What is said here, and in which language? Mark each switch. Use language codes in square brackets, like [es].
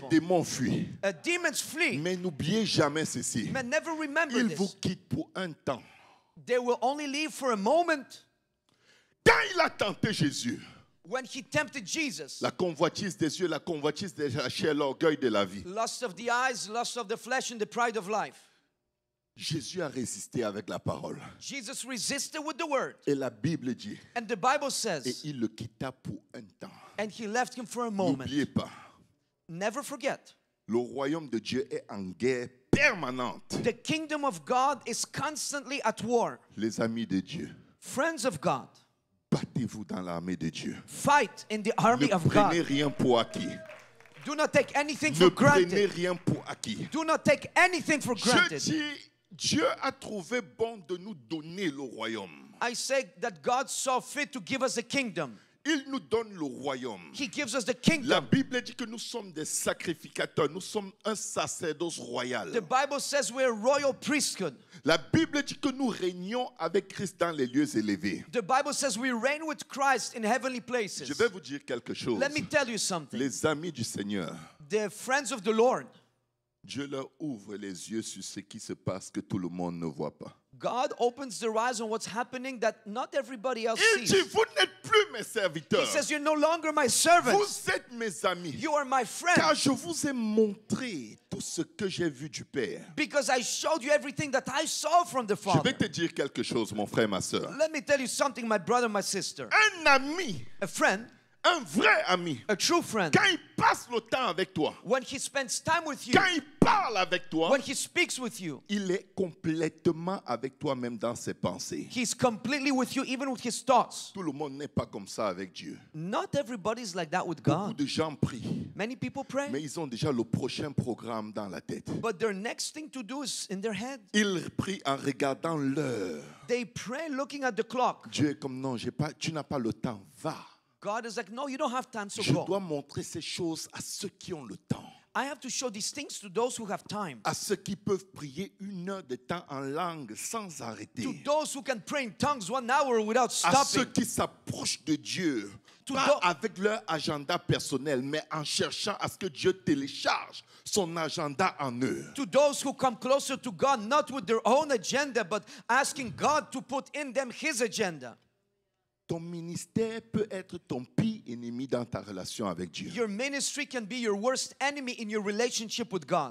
[fr] les démons fuient. [en] Demons flee. [fr] Mais n'oubliez jamais ceci. [en] Man, never remember [fr] ils [en] this. [fr] Vous quittent pour un temps. [en] They will only leave for a moment. [fr] Quand il a tenté Jésus, [en] when he tempted Jesus, [fr] la convoitise des yeux, la convoitise de la chair, l'orgueil de la vie, [en] lust of the eyes, lust of the flesh, and the pride of life, [fr] Jésus a résisté avec la parole. [en] Jesus resisted with the word. [fr] Et la Bible dit, [en] and the Bible says, [fr] et il le quitta pour un temps. [en] And he left him for a moment. [fr] N'oubliez pas, [en] never forget, [fr] le royaume de Dieu est en guerre. Permanente. [en] The kingdom of God is constantly at war. [fr] Les amis de Dieu. [en] Friends of God. [fr] Battez-vous dans l'armée de Dieu. [en] Fight in the army [fr] ne [en] of God. [fr] Ne prenez rien pour acquis. [en] Do not take anything [fr] ne [en] for granted. [fr] Ne prenez rien pour acquis. [en] Do not take anything for granted. [fr] Je dis, Dieu a trouvé bon de nous donner le royaume. [en] I say that God saw fit to give us a kingdom. [fr] Il nous donne le royaume. [en] He gives us the kingdom. [fr] La Bible dit que nous sommes des sacrificateurs. Nous sommes un sacerdoce royal. [en] The Bible says we are royal priesthood. [fr] La Bible dit que nous régnons avec Christ dans les lieux élevés. [en] The Bible says we reign with Christ in heavenly places. [fr] Je vais vous dire quelque chose. [en] Let me tell you something. [fr] Les amis du Seigneur. [en] The friends of the Lord. [fr] Dieu leur ouvre les yeux sur ce qui se passe que tout le monde ne voit pas. [en] God opens their eyes on what's happening that not everybody else [fr] il [en] sees. [fr] Dit, vous n'êtes plus mes serviteurs. [en] He says, you're no longer my servant. [fr] Vous êtes mes amis. [en] You are my friend. [fr] Car je vous ai montré tout ce que j'ai vu du Père. [en] Because I showed you everything that I saw from the Father. [fr] Je vais te dire quelque chose, mon frère, ma sœur. [en] Let me tell you something, my brother, my sister. [fr] Un ami. [en] A friend. [fr] Un vrai ami. [en] A true friend. [fr] Quand il passe le temps avec toi. [en] When he spends time with you. [fr] Quand il parle avec toi. [en] When he speaks with you. [fr] Il est complètement avec toi même dans ses pensées. [en] He's completely with you even with his thoughts. [fr] Tout le monde n'est pas comme ça avec Dieu. [en] Not everybody's like that with God. [fr] Beaucoup de gens prient. [en] Many people pray. [fr] Mais ils ont déjà le prochain programme dans la tête. [en] But their next thing to do is in their head. [fr] Ils prient en regardant l'heure. [en] They pray looking at the clock. [fr] Dieu est comme non, j'ai pas, tu n'as pas le temps, va. [en] God is like, no, you don't have time, so [fr] je [en] go. [fr] Dois montrer ces choses à ceux qui ont le temps. [en] I have to show these things to those who have time. [fr] À ceux qui peuvent prier une heure de temps en langue sans arrêter. [en] To those who can pray in tongues 1 hour without stopping. [fr] À ceux qui s'approchent de Dieu. [en] To [fr] pas avec leur agenda personnel, mais en cherchant à ce que Dieu télécharge son agenda en eux. [en] To those who come closer to God, not with their own agenda, but asking God to put in them his agenda. [fr] Ton ministère peut être ton pire ennemi dans ta relation avec Dieu. [en] Your ministry can be your worst enemy in your relationship with God.